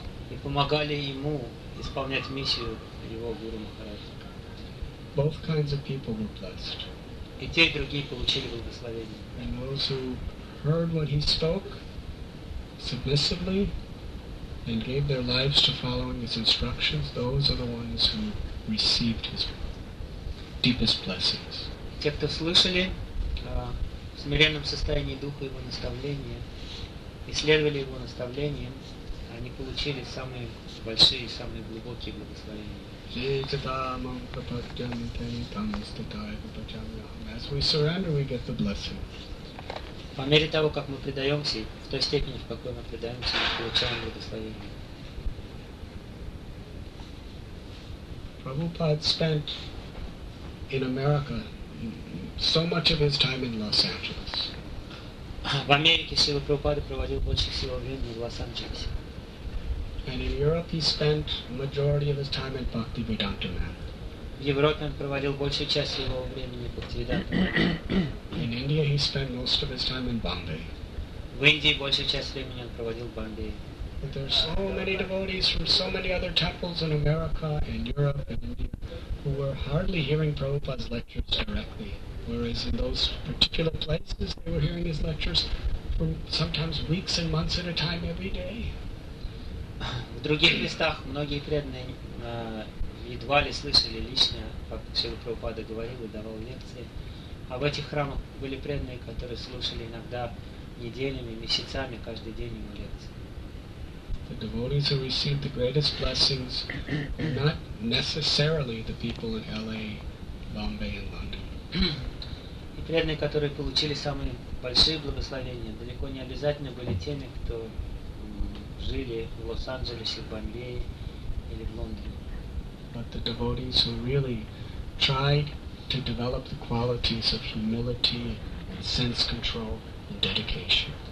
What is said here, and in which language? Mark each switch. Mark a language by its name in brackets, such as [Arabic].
[Russian] И помогали ему исполнять миссию его гуру Махараджа. [English] Both kinds of people were blessed. [Russian] И те, и другие получили благословение. [English] And those who heard what he spoke submissively and gave their lives to following his instructions, those are the ones who received his deepest blessings. [Russian] Те, кто слышали в смиренном состоянии духа его наставления, исследовали его наставлением, они получили самые большие и самые глубокие благословения. [English] As we surrender, we get the blessing. [Russian] По мере того, как мы предаемся, в той степени, в какой мы предаемся, мы получаем благословение. [English] Prabhupada spent in America so much of his time in Los Angeles. [Russian] В Америке Шрила Прабхупада проводил больше всего времени в Лос-Анджелесе. [English] And in Europe he spent majority of his time in Bhaktivedanta Man. [Russian] В Европе он проводил большую часть своего времени в Бхактивиданте. [English] In India he spent most of his time in Bombay. [Russian] В Индии большую часть времени он проводил в Бомбее. [English] But there are so many devotees from so many other temples in America and Europe and India who were hardly hearing Prabhupada's lectures directly. Whereas in those particular places they were hearing his lectures for sometimes weeks and months at a time every day. [Russian] В других местах многие преданные едва ли слышали лично, как Шрила Прабхупада говорил и давал лекции. А в этих храмах были преданные, которые слушали иногда неделями, месяцами, каждый день его лекции. [English] The devotees who received the greatest blessings were not necessarily the people in LA, Bombay and London. [Russian] И преданные, которые получили самые большие благословения, далеко не обязательно были теми, кто жили в Лос-Анджелесе, в Бомбее или в Лондоне. [English] But the devotees who really tried to develop the qualities of humility and sense control and dedication.